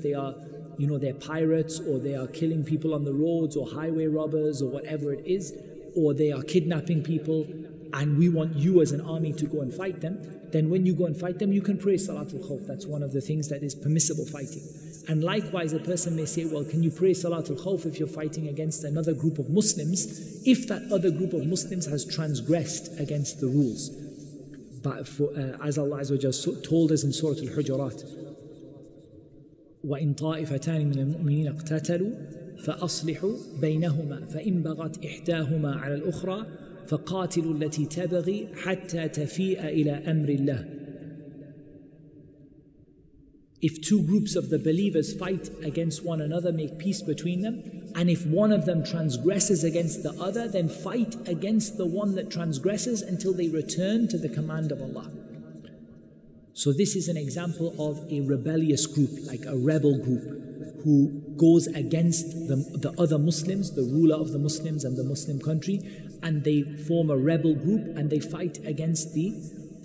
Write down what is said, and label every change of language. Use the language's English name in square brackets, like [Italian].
[English] They are, you know, they're pirates, or they are killing people on the roads, or highway robbers, or whatever it is, or they are kidnapping people, and we want you as an army to go and fight them. Then when you go and fight them, you can pray Salatul Khawf. That's one of the things that is permissible fighting. And likewise, a person may say, well, can you pray Salatul Khawf if you're fighting against another group of Muslims, if that other group of Muslims has transgressed against the rules? But for, as Allah Azza wa Jalla told us in Surah Al-Hujurat, [Arabic] وَإِنْ طَائِفَتَانِ مِنَ الْمُؤْمِنِينَ اقْتَتَلُوا فَأَصْلِحُوا بَيْنَهُمَا فَإِنْ بَغَتْ إِحْدَاهُمَا عَلَى الْأُخْرَى فَقَاتِلُوا الَّتِي تَبَغِي حَتَّى تَفِيءَ إِلَىٰ أَمْرِ اللَّهِ. [English] If two groups of the believers fight against one another, make peace between them, and if one of them transgresses against the other, then fight against the one that transgresses until they return to the command of Allah. So this is an example of a rebellious group, like a rebel group, who goes against the other Muslims, the ruler of the Muslims and the Muslim country, and they form a rebel group and they fight against the